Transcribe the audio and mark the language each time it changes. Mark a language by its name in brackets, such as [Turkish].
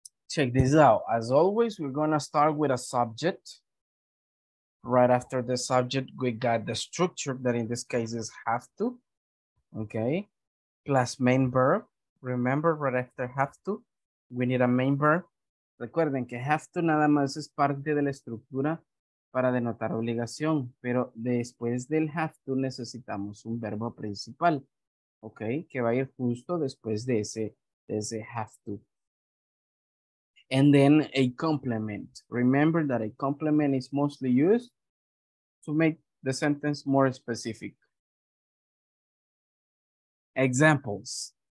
[English] Check this out. As always, we're gonna start with a subject. Right after the subject, we got the structure that in this case is have to, okay? Plus main verb. Remember, right after have to, we need a main verb. [Spanish] Recuerden que have to nada más es parte de la estructura para denotar obligación, pero después del have to necesitamos un verbo principal, ¿ok? Que va a ir justo después de ese have to. [English] And then a complement. Remember that a complement is mostly used to make the sentence more specific. Examples.